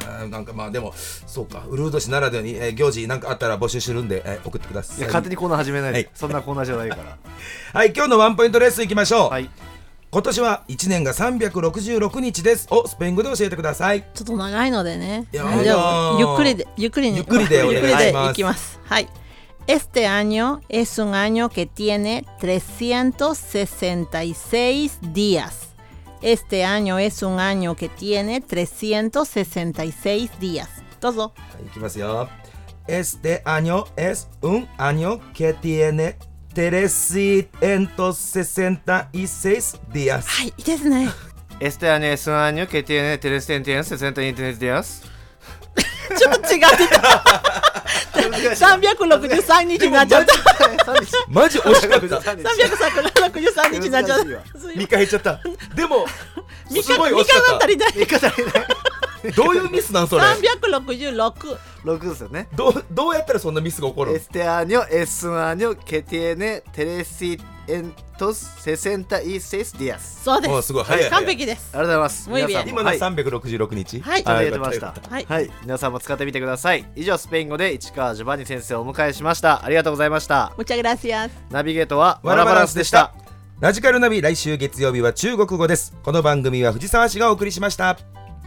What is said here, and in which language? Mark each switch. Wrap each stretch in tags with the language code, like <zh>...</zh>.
<ja>なんかまあでもそうか、ウルード氏ならではに行事なんかあったら募集するんで送ってください。いや、勝手にコーナー始めないで、はい、そんなコーナーじゃないから。はい、今日のワンポイントレッスンいきましょう。はい、今年は1年が366日です。をスペイン語で教えてください。ちょっと長いのでね。いやゆっくりで、ゆっくりに。ゆっくりでお願いします。ゆっくりでいきます。はい。</ja> <es>Este año es un año que tiene 366 días. Este año es un año que tiene 366 días.</es> <ja>どうぞ。はい、いきますよ。</ja> <es>Este año es un año que tiene 366 días.</es> <ja>はい、いいですね。</ja> <es>Este año es un año que tiene 366 días.</es> <ja>ちょっと違ってた。363日になっちゃった。マジ惜しかった。 363日になっちゃった。 3日減っちゃった。でも、すごい惜しかった。 3日が足りない。どういうミスなんそれ。 366。 6ですよね。どうやったらそんなミスが起こる。</ja> <es>Este año es un año que tiene 366 días。</es> <ja>そうです。すごい早い。完璧です。ありがとうございます。皆さん、今の366日。はい、ちょっとやってました。はい。皆さんも使ってみてください。以上、スペイン語で市川ジョバンニ先生をお迎えしました。ありがとうございました。</ja> <es>Muchas gracias。</es> <ja>ナビゲートはワラバランスでした。ラジカルナビ、来週月曜日は中国語です。この番組は藤沢氏がお送りしました。</ja>